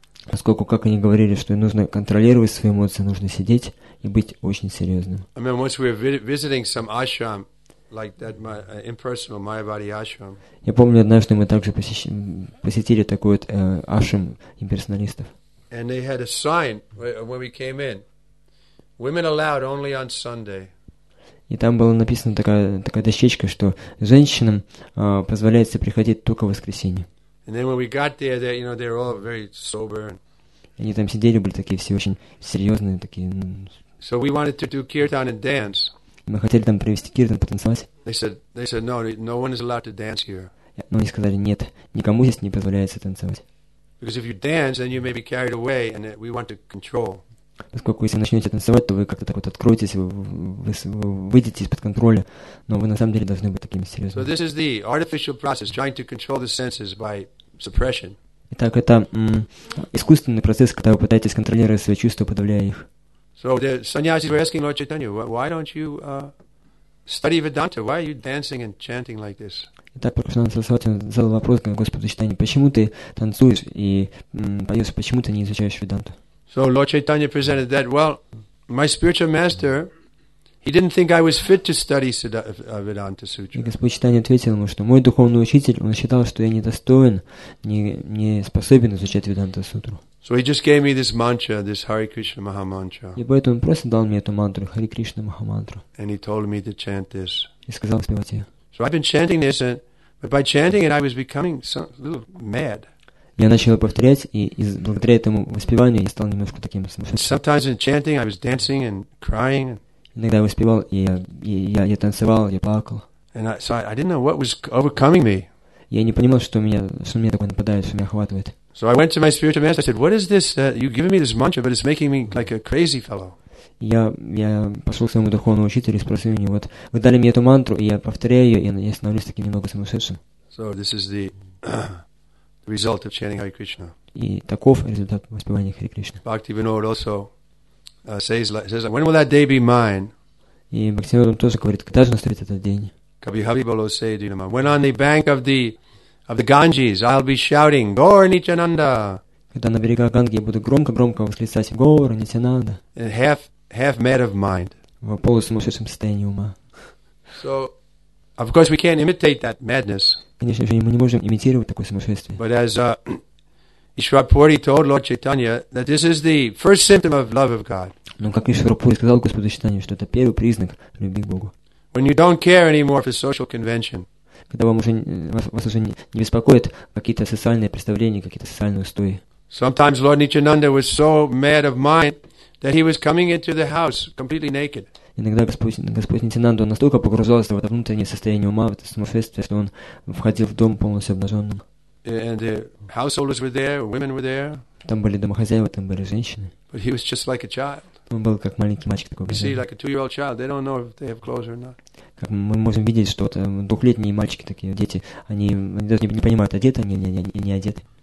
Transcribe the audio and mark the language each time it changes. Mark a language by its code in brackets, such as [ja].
[ru] Поскольку, как они говорили, что нужно контролировать свои эмоции, нужно сидеть и быть очень серьезным. [en] I mean, once we were visiting some ashram, like that impersonal Mayavadi ashram. [ru] Я помню, однажды мы также посетили такой вот ашрам имперсоналистов. [en] And they had a sign when we came in. Women allowed only on Sunday. [ru] И там было написано такая дощечка, что женщинам позволяется приходить только в воскресенье. [en] And then when we got there, they, you know, they were all very sober. [ru] Они там сидели, были такие все очень серьезные такие. [en] So we wanted to do kirtan and dance. [ru] Мы хотели там провести киртан, потанцевать. [en] They said no one is allowed to dance here. [ru] Но они сказали, нет, никому здесь не позволяется танцевать. [en] Because if you dance, then you may be carried away, and we want to control. [ru] Поскольку если начнете танцевать, то вы как-то так вот откроетесь, вы выйдете из-под контроля, но вы на самом деле должны быть такими серьезными. Итак, это искусственный процесс, когда вы пытаетесь контролировать свои чувства, подавляя их. [en] So the sannyasis were asking Lord Chaitanya, why don't you study Vedanta? Why are you dancing and chanting like this? [ru] Итак, профессиональный сосватин задал вопрос Господу Чайтанье, почему ты танцуешь и поешь, почему ты не изучаешь Веданту? [en] So Lord Chaitanya presented that, well, my spiritual master, he didn't think I was fit to study Vedanta Sutra. [ru] И Господь Чайтанье ответил ему, что мой духовный учитель, он считал, что я недостоин, не способен изучать Веданту Сутру. [en] So he just gave me this mantra, this Hare Krishna Maha Mantra. [ru] И поэтому он просто дал мне эту мантру, Hare Krishna Maha Mantra. [en] And he told me to chant this. [ru] И сказал спевать ее. [en] So I've been chanting this, but by chanting it, I was becoming a little mad. [ru] Я начал повторять, и благодаря этому воспеванию я стал немножко таким. [en] Sometimes in chanting, I was dancing and crying. [ru] Иногда я воспевал, и я танцевал, я плакал. [en] And I didn't know what was overcoming me. [ru] Я не понимал, что меня такое нападает, что меня охватывает. [en] So I went to my spiritual master. I said, "What is this? You've given me this mantra, but it's making me like a crazy fellow." [ru] Я пошел к своему духовному учителю и спросил у него, вот вы дали мне эту мантру, и я повторяю ее, и я становлюсь таким немного сумасшедшим. [en] So this is the result of chanting Hare Krishna. [ru] И таков результат воспевания Хари Кришны. [en] Bhaktivinoda also says, "When will that day be mine?" [ru] И Бхактивинода тоже говорит, когда же наступит этот день? Kabhi bolo se dinama. [en] When on the bank of the Ganges, I'll be shouting, "Gaur Nityananda!" [ru] Когда на берегах Ганги я буду громко восклицать Гоур Нитянанда. [en] And half mad of mind. [ru] В полусумасшедшем состоянии ума. [en] So, of course, we can't imitate that madness. [ru] Конечно же, мы не можем имитировать такое сумасшествие. [en] But as Ishwarapuri told Lord Chaitanya, that this is the first symptom of love of God. [ru] Но как Ишварапури сказал Господу Чайтанье, что это первый признак любви к Богу. [en] When you don't care anymore for social convention. [ru] Когда вас уже не беспокоят какие-то социальные представления, какие-то социальные устои. [en] Sometimes Lord Nityananda was so mad of mind that he was coming into the house completely naked. [ru] Иногда Господь Нитянанда настолько погружался в это внутреннее состояние ума, в это сумасшествие, что он входил в дом полностью обнаженным. [en] And the householders were there, women were there. [ru] Там были домохозяева, там были женщины. [en] But he was just like a child. [ru] Он был как маленький мальчик такой. [en] You see, like a two-year-old child, they don't know if they have clothes or not. [ru] Как мы можем видеть, что двухлетние мальчики такие, дети, они даже не понимают, одеты они или не одеты.